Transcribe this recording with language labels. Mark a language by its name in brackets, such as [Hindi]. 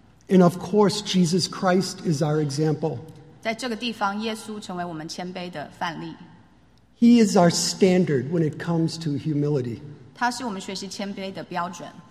[English] And of course, Jesus Christ is our example. [Chinese] 在这个地方,耶稣成为我们谦卑的范例。 [English] He is our standard when it comes to humility. [Chinese] 他是我们学习谦卑的标准。